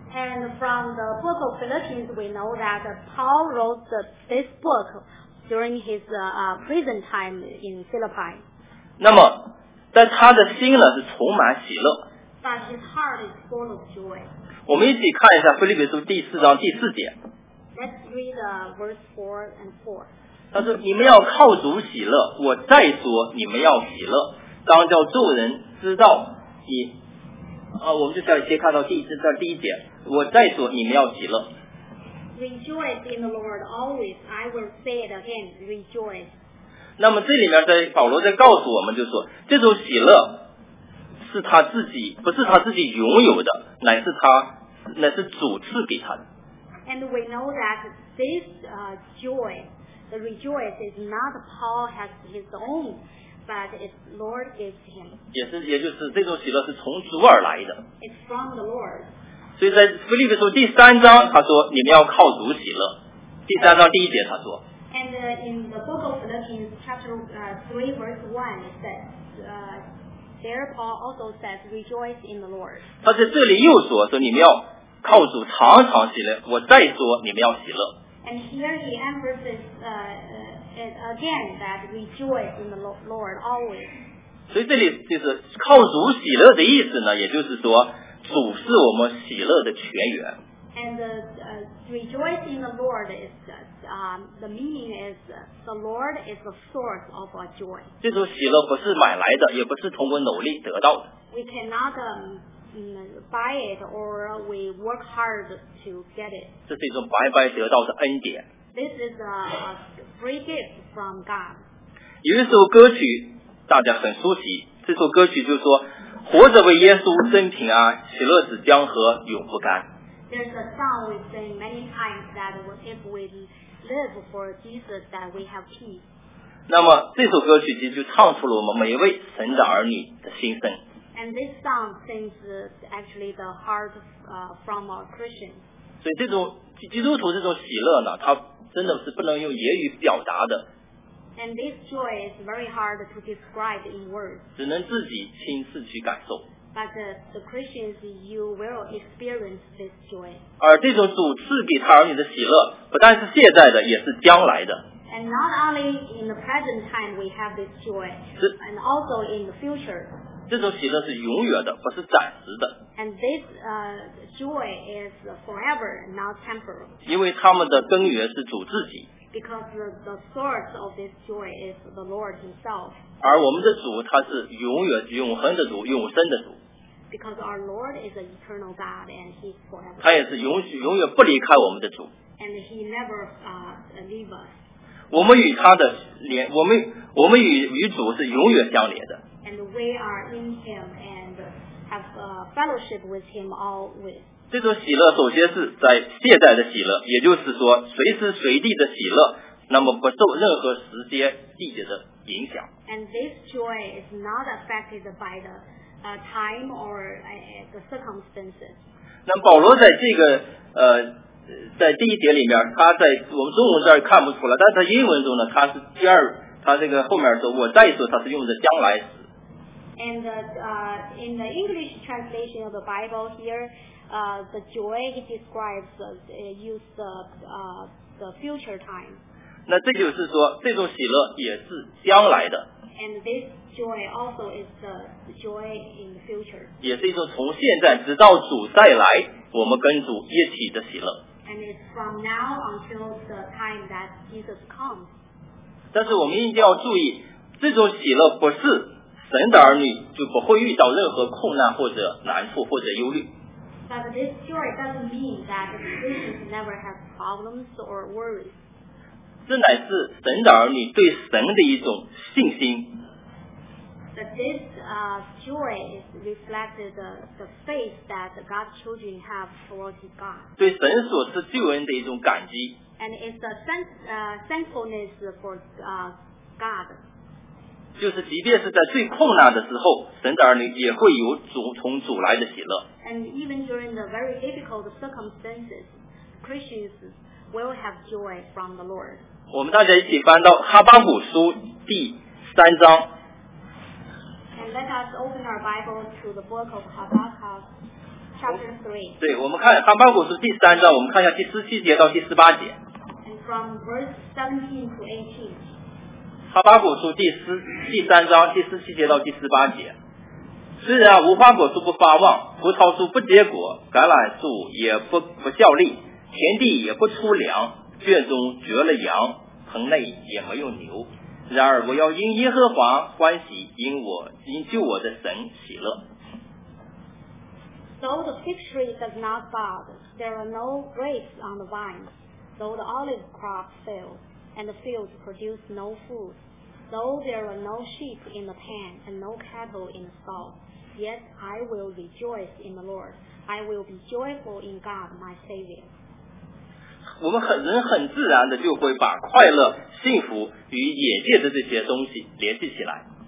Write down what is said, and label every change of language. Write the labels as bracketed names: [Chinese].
[English] And from the book of Philippians, we know that Paul wrote this book. During his prison time in Philippi. [Chinese] 那么在他的心呢是充满喜乐。 [English] But his heart is full of joy. [Chinese] 我们一起看一下腓立比书第四章第四节。 [English] Let's read verse 4 and 4. [Chinese] 他说你们要靠主喜乐，我再说你们要喜乐，当叫众人知道你。我们就想先看到第四章第一节，我再说你们要喜乐。 [English] Rejoice in the Lord always. I will say it again. Rejoice. [Chinese] 那么这里面在保罗在告诉我们，就说这种喜乐是他自己，不是他自己拥有的，乃是主赐给他的。 [English] And we know that this joy, the rejoice, is not Paul has his own, but it's Lord gives him. [Chinese] 也就是这种喜乐是从主而来的。 [English] It's from the Lord. [Chinese] 所以在腓立比书第三章他说你们要靠主喜乐，第三章第一节他说 [English] And in the book of Philippians chapter 3 verse 1 it says there Paul also says rejoice in the Lord. [Chinese] 他在这里又说你们要靠主常常喜乐，我再说你们要喜乐。 [English] And here he emphasizes again that rejoice in the Lord always. [Chinese] 所以这里就是靠主喜乐的意思呢，也就是说主是我们喜乐的泉源。 [English] And rejoice in the Lord is the meaning is the Lord is the source of our joy. [Chinese] 这种喜乐不是买来的，也不是通过努力得到的。 [English] We cannot buy it or we work hard to get it. [Chinese] 这是一种白白得到的恩典。 [English] This is a free gift from God. [Chinese] 有一首歌曲大家很熟悉，这首歌曲就是说活着为耶稣真平安，喜乐子江河永不干。 [English] There's a song we sing many times that if we live for Jesus that we have peace. [Chinese] 那么这首歌曲其实就唱出了我们每一位神的儿女的心声。 [English] And this song sings actually the heart from our Christians. [Chinese] 所以这种基督徒这种喜乐呢，它真的是不能用言语表达的。 [English] And this joy is very hard to describe in words. [Chinese] 只能自己亲自去感受。 [English] But the Christians, you will experience this joy. [Chinese] 而这种主赐给他儿女的喜乐，不但是现在的，也是将来的。 [English] And not only in the present time we have this joy, and also in the future. [Chinese] 这种喜乐是永远的，不是暂时的。 [English] And this joy is forever, not temporary. [Chinese] 因为他们的根源是主自己。 [English] Because the source of this joy is the Lord Himself. [Chinese] 而我们的主他是永远永恒的主，永生的主。 [English] Because our Lord is an eternal God and He's forever. [Chinese] 他也是永远不离开我们的主。 [English] And He never leave us. [Chinese] 我们与他的连，我们与主是永远相连的。 [English] And we are in Him and have a fellowship with Him always. [Chinese] 这种喜乐首先是在现在的喜乐，也就是说随时随地的喜乐，那么不受任何时间地点的影响。 [English] And this joy is not affected by the time or the circumstances. [Chinese] 那保罗在这个在第一节里面，他在我们中文这儿看不出来，但是在英文中呢，他是第二，他这个后面说我再说，他是用的将来时。 [English] And in the English translation of the Bible here, the joy he describes use the future time. [Chinese] 那这就是说这种喜乐也是将来的。 [English] And this joy also is the joy in the future. [Chinese] 也是一种从现在直到主再来我们跟主一起的喜乐。 [English] And it's from now until the time that Jesus comes. [Chinese] 但是我们一定要注意这种喜乐不是神的儿女就不会遇到任何困难或者难处或者忧虑。 [English] But this joy doesn't mean that Christians never have problems or worries. [Chinese] 这乃是神的儿女对神的一种信心。 [English] But this joy is reflected the faith that God's children have towards God. [Chinese] 对神所赐救恩的一种感激。 [English] And it's a thankfulness for God. [Chinese] 就是即便是在最困难的时候神的儿女也会有主从主来的喜乐 [English] and even during the very difficult circumstances Christians will have joy from the Lord [Chinese] 我们大家一起翻到哈巴谷书第三章 [English] and let us open our Bible to the book of Habakkuk chapter 3 [Chinese] 对我们看哈巴谷书第三章我们看一下第十七节到第十八节 [English] and from verse 17 to 18 [Chinese] 哈巴谷书第三章第十七节到第十八节虽然无花果树不发旺葡萄树不结果橄榄树也不效力田地也不出粮圈中绝了羊棚内也没有牛然而我要因耶和华欢喜因我因救我的神喜乐 [English] Though the fig tree does not bud there are no grapes on the vine Though the olive crop failsAnd the fields produce no food. Though there are no sheep in the pen and no cattle in the stall, yet I will rejoice in the Lord. I will be joyful in God, my Savior. [Chinese] 我们人很自然的就会把快乐、幸福与眼界的这些东西联系起来。